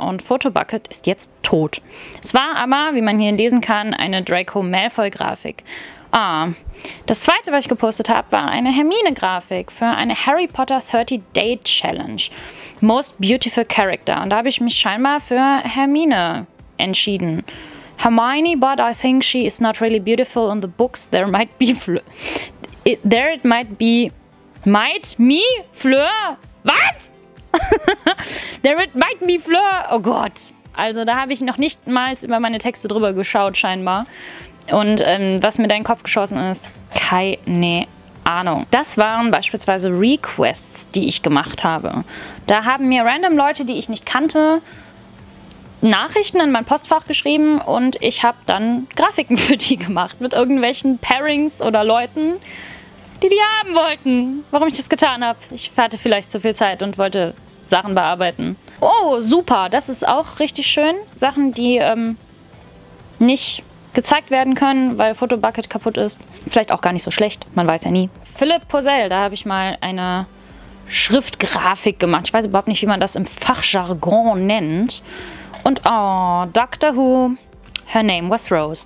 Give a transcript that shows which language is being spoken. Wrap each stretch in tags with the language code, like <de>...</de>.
<de>Und Photobucket ist jetzt tot. Es war aber, wie man hier lesen kann, eine Draco Malfoy-Grafik. Ah, das zweite, was ich gepostet habe, war eine Hermine-Grafik für eine Harry Potter 30-Day-Challenge. Most Beautiful Character. Und da habe ich mich scheinbar für Hermine entschieden.</de> <en>Hermione, but I think she is not really beautiful in the books. There it might be Fleur.</en> <de>Oh Gott. Also da habe ich noch nicht mal über meine Texte drüber geschaut scheinbar. Und was mir dein Kopf geschossen ist, keine Ahnung. Das waren beispielsweise Requests, die ich gemacht habe. Da haben mir random Leute, die ich nicht kannte, Nachrichten in mein Postfach geschrieben und ich habe dann Grafiken für die gemacht mit irgendwelchen Pairings oder Leuten, die die haben wollten. Warum ich das getan habe? Ich hatte vielleicht zu viel Zeit und wollte Sachen bearbeiten. Oh, super. Das ist auch richtig schön. Sachen, die nicht gezeigt werden können, weil Photobucket kaputt ist. Vielleicht auch gar nicht so schlecht. Man weiß ja nie. Philipp Posell, da habe ich mal eine Schriftgrafik gemacht. Ich weiß überhaupt nicht, wie man das im Fachjargon nennt. Und oh, Doctor Who,</de> <en>her name was Rose.</en>